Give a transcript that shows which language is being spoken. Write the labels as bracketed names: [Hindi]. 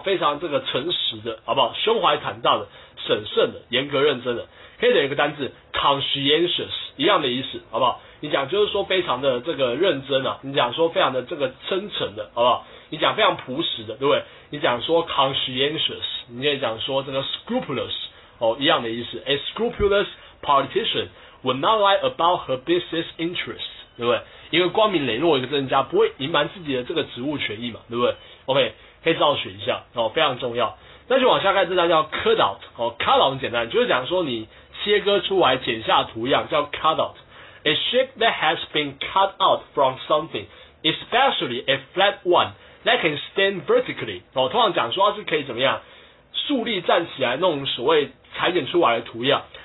[Chinese] 非常这个诚实的，好不好？胸怀坦荡的，审慎的，严格认真的，可以等一个单字 conscientious 一样的意思，好不好？你讲就是说非常的这个认真啊，你讲说非常的这个真诚的，好不好？你讲非常朴实的，对不对？你讲说 conscientious， 你也讲说这个 scrupulous 哦，一样的意思。 [English] A scrupulous politician would not lie about her business interests。 [Chinese] 对不对？一个光明磊落一个政治家不会隐瞒自己的这个职务权益嘛，对不对 ？OK， 可以稍微学一下哦，非常重要。那就往下看，这张叫 cut out 哦 ，cut out 很简单，就是讲说你切割出来剪下图样叫 cut out。 [English] A shape that has been cut out from something, especially a flat one that can stand vertically [Chinese] 哦，通常讲说它是可以怎么样竖立站起来那种所谓裁剪出来的图样。